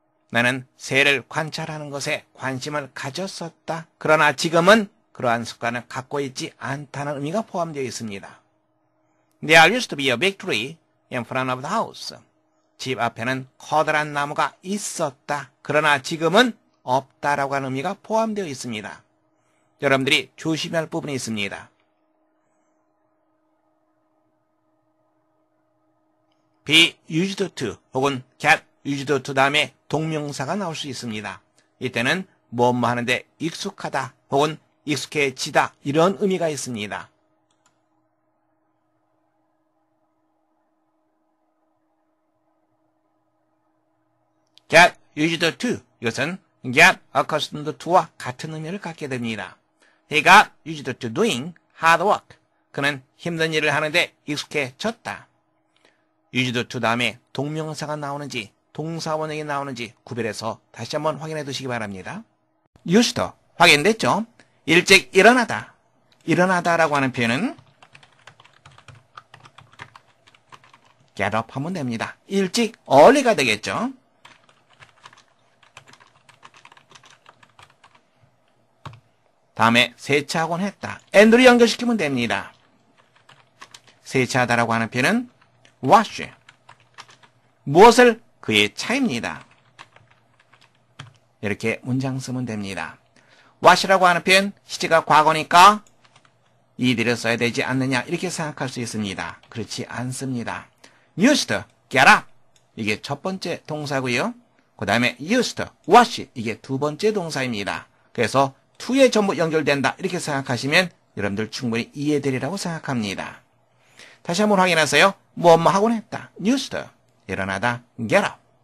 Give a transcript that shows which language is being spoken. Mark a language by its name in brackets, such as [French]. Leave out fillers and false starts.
[Korean] 나는 새를 관찰하는 것에 관심을 가졌었다. 그러나 지금은 그러한 습관을 갖고 있지 않다는 의미가 포함되어 있습니다. [English] There used to be a big tree in front of the house. [Korean] 집 앞에는 커다란 나무가 있었다. 그러나 지금은 없다라고 하는 의미가 포함되어 있습니다. 여러분들이 조심해야 할 부분이 있습니다. 'Be used to' 혹은 'get used to' 다음에 동명사가 나올 수 있습니다. 이때는 뭐뭐 하는데 익숙하다 혹은 익숙해지다 이런 의미가 있습니다. 'Get used to' 이것은 'get accustomed to'와 같은 의미를 갖게 됩니다. [English] 'He got used to doing hard work' [Korean] 그는 힘든 일을 하는데 익숙해졌다. 'used to' 다음에 동명사가 나오는지 동사 원형이 나오는지 구별해서 다시 한번 확인해 두시기 바랍니다. 'used to' 확인됐죠? 일찍 일어나다, 일어나다라고 하는 표현은 'get up' 하면 됩니다. 일찍 early가 되겠죠? 다음에 세차하곤 했다. 엔드로 연결시키면 됩니다. 세차하다라고 하는 표현은 wash. 무엇을? 그의 차입니다. 이렇게 문장 쓰면 됩니다. was라고 하는 표현, 시제가 과거니까 이들을 써야 되지 않느냐 이렇게 생각할 수 있습니다. 그렇지 않습니다. used, get up 이게 첫 번째 동사고요. 그 다음에 used, was 이게 두 번째 동사입니다. 그래서 to에 전부 연결된다 이렇게 생각하시면 여러분들 충분히 이해되리라고 생각합니다. 다시 한번 확인하세요. 뭐뭐 하곤 했다. used, 일어나다, get up.